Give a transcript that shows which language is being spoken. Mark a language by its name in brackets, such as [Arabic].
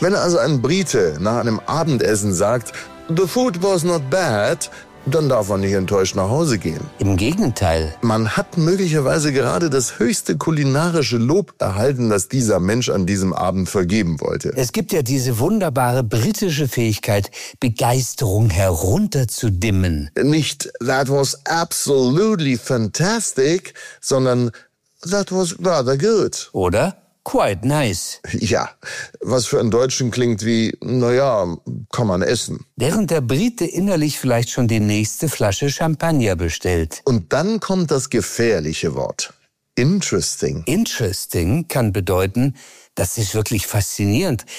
[German] Wenn also ein Brite nach einem Abendessen sagt, [English] the food was not bad, [German] dann darf man nicht enttäuscht nach Hause gehen. Im Gegenteil. Man hat möglicherweise gerade das höchste kulinarische Lob erhalten, das dieser Mensch an diesem Abend vergeben wollte. Es gibt ja diese wunderbare britische Fähigkeit, Begeisterung herunterzudimmen. Nicht, [English] that was absolutely fantastic, [German] sondern [English] that was rather good. [German] Oder? [English] Quite nice. [German] Ja, was für einen Deutschen klingt wie, naja, kann man essen. Während der Brite innerlich vielleicht schon die nächste Flasche Champagner bestellt. Und dann kommt das gefährliche Wort. [English] Interesting. [German] Interesting kann bedeuten, das ist wirklich faszinierend.